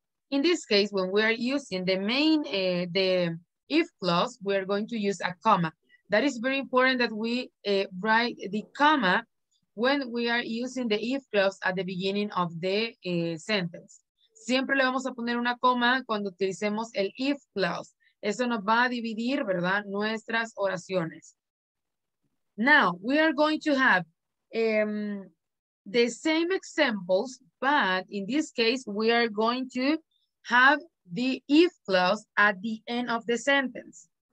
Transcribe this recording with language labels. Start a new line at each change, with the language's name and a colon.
English: In this case, when we are using the main, the if clause, we are going to use a comma. That is very important that we write the comma when we are using the if clause at the beginning of the sentence.
Spanish: Siempre le vamos a poner una coma cuando utilicemos el if clause. Eso nos va a dividir, ¿verdad?, nuestras oraciones.
English: Now, we are going to have the same examples, but in this case, we are going to have the if clause at the end of the sentence.